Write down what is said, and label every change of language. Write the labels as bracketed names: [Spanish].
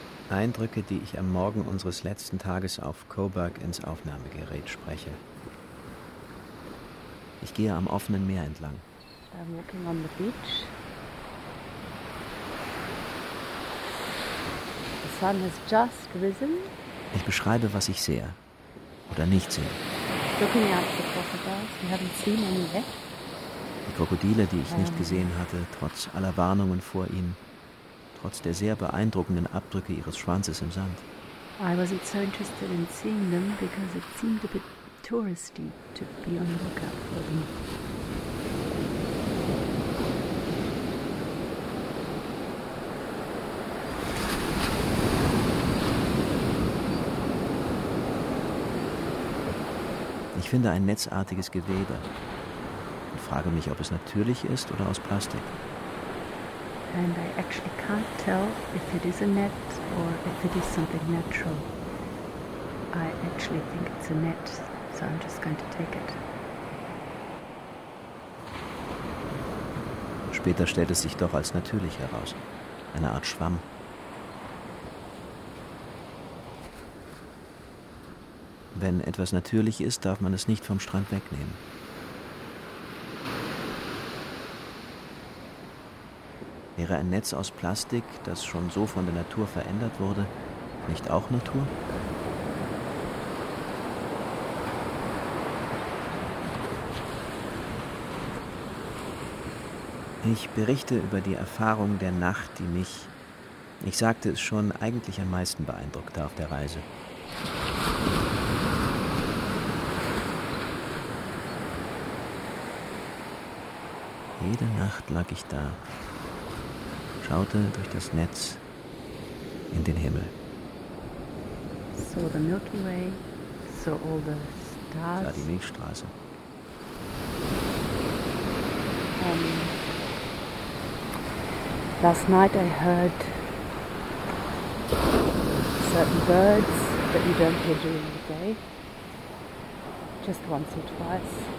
[German] Eindrücke, die ich am Morgen unseres letzten Tages auf Coburg ins Aufnahmegerät spreche. Ich gehe am offenen Meer entlang. [English] I'm walking on the beach. The sun has just risen. [German] Ich beschreibe, was ich sehe oder nicht sehe. [English] Looking at the crocodiles, we haven't seen any yet. [German] Die Krokodile, die ich nicht gesehen hatte, trotz aller Warnungen vor ihnen. Trotz der sehr beeindruckenden Abdrücke ihres Schwanzes im Sand. [English] I wasn't so interested in seeing them because it seemed a bit touristy to be on the lookout for them. [German] Ich finde ein netzartiges Gewebe und frage mich, ob es natürlich ist oder aus Plastik. [English] And I actually can't tell if it is a net or if it is something natural. I actually think it's a net, so I'm just going to take it. [German] Später stellt es sich doch als natürlich heraus. Eine Art Schwamm. Wenn etwas natürlich ist, darf man es nicht vom Strand wegnehmen. Wäre ein Netz aus Plastik, das schon so von der Natur verändert wurde, nicht auch Natur? Ich berichte über die Erfahrung der Nacht, die mich, ich sagte es schon, eigentlich am meisten beeindruckte auf der Reise. Jede Nacht lag ich da, schaute durch das Netz in den Himmel. [English] Saw the Milky Way, saw all the stars. [German] Sah die Milchstraße. [English] Last night I heard certain birds that you don't hear during the day, just once or twice.